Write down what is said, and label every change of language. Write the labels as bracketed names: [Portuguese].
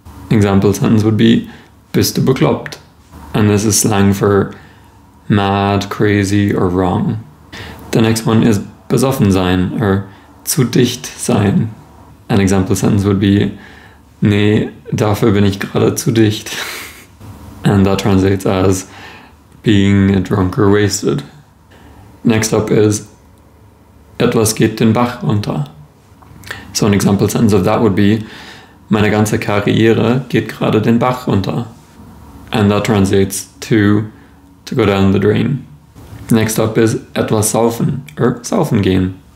[English] Example sentence would be, [German] bist du bekloppt? [English] And this is slang for mad, crazy or wrong. The next one is [German] besoffen sein [English] or [German] zu dicht sein. [English] An example sentence would be, [German] nee, dafür bin ich gerade zu dicht. [English] And that translates as being drunk or wasted. Next up is [German] etwas geht den Bach runter. [English] So an example sentence of that would be [German] meine ganze Karriere geht gerade den Bach runter. [English] And that translates to go down the drain. Next up is [German] etwas saufen [English] or [German] saufen gehen.